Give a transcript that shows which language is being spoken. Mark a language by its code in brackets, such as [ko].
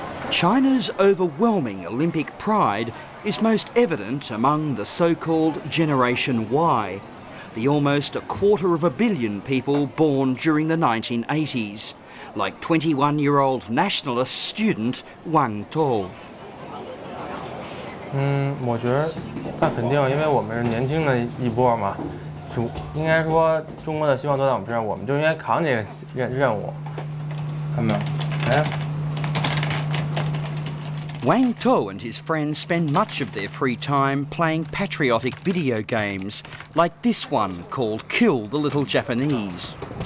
[en] China's overwhelming Olympic pride is most evident among the so-called Generation Y, the almost a quarter of a billion people born during the 1980s, like 21-year-old nationalist student Wang To. [zh] 我觉得他肯定，因为我们是年轻的一波嘛，应该说中国的希望都在我们这边，我们就应该扛这个任务，看到没有？哎。Wang [en] To and his friends spend much of their free time playing patriotic video games, like this one called Kill the Little Japanese.